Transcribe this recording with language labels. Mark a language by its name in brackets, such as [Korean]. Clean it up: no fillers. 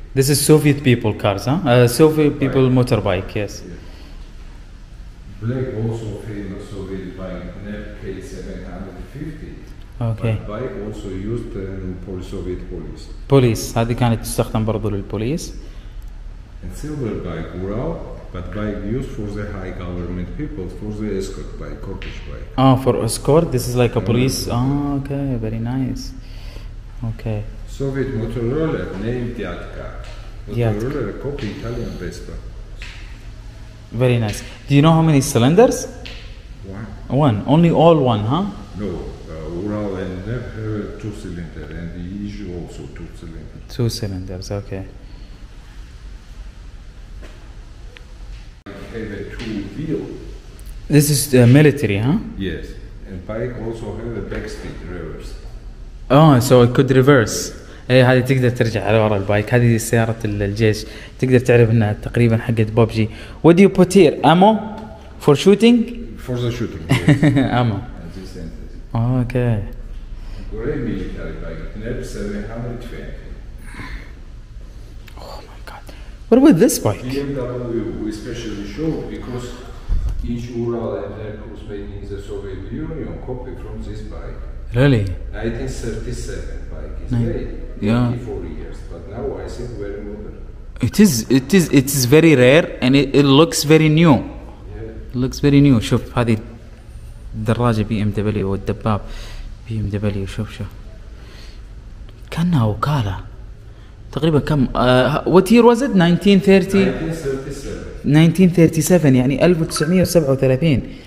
[English] This is Soviet people cars, huh? Soviet bike. People motorbike, yes. Black also famous Soviet bike, NFK 750. Okay. But bike also used in Soviet police. Police. [Arabic] هذه كانت تستخدم برضو للبوليس. [English] And silver bike Ural, but bike used for the high government people for the escort bike, corpus bike. Oh, for escort. This is like a police. Oh, okay, very nice. Okay. Soviet motor roller named Dyatka. Motor roller copy Italian Vespa. Very nice. Do you know how many cylinders? One. One. Only all one, huh? No. Ural and Nev have two cylinder, and the Izhu also two cylinders. Two cylinders. Okay. Have a two wheel. This is the military, huh? Yes. And bike also have a back speed reverse. Oh, so it could reverse. [Arabic] اي هذه تقدر ترجع على ورا البايك. هذه سيارة الجيش، تقدر تعرف انها تقريبا حقت بوبجي. [English] What do you put here? Ammo? For shooting? For the shooting, yes. Ammo. Okay. Great military bike, NEP 720. Oh my god. What about this bike? BMW we specially show because each Ural and NEP was made in the Soviet Union copy from this bike. Really? 1937 bike. It's very 84 years, but now I think very modern. It is very rare and it looks very new. Yeah. It looks very new. [Arabic] شوف هذه الدراجة BMW والدباب BMW. شوف كأنها وكالة تقريبا. كم [English] what year was it? 1937. [Arabic] يعني 1937.